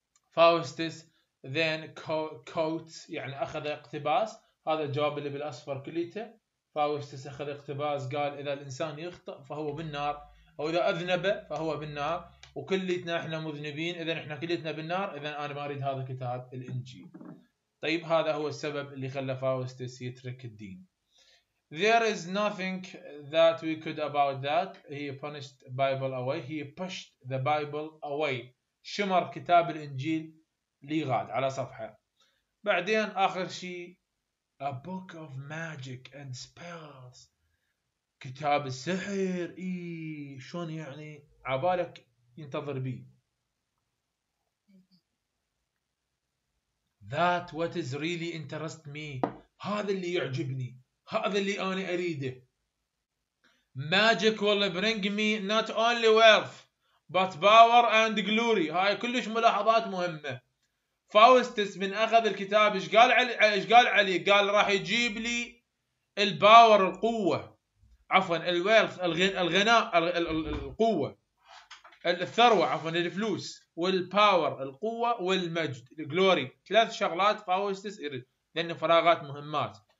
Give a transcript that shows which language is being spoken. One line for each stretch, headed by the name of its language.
Arabic: فاوست ذن كوت يعني اخذ اقتباس, هذا الجواب اللي بالأصفر كليته. فاوستس أخذ اقتباس قال إذا الإنسان يخطأ فهو بالنار, أو إذا أذنب فهو بالنار, وكليتنا إحنا مذنبين إذن إحنا كليتنا بالنار, إذن أنا ما أريد هذا كتاب الإنجيل. طيب هذا هو السبب اللي خلى فاوستس يترك الدين.
English: There is nothing that we could about that. He punished Bible away. He pushed the Bible away.
Arabic: شمر كتاب الإنجيل ليغاد على صفحة. بعدين آخر شيء
English: A book of magic and spells.
Arabic: كتاب السحر. إيه شون يعني عبالك ينتظر بي.
English: That what is really interest me.
Arabic: هذا اللي يعجبني. هذا اللي أنا أريده.
English: Magic will bring me not only wealth but power and glory.
Arabic: هاي كلش ملاحظات مهمة. فاوستس من أخذ الكتاب إيش قال علي؟ إيش قال علي؟ قال راح يجيب لي الباور القوة, عفواً الويلث الغناء القوة الثروة, عفواً الفلوس والباور القوة والمجد الجلوري, ثلاث شغلات فاوستس يريد لأن فراغات مهمات.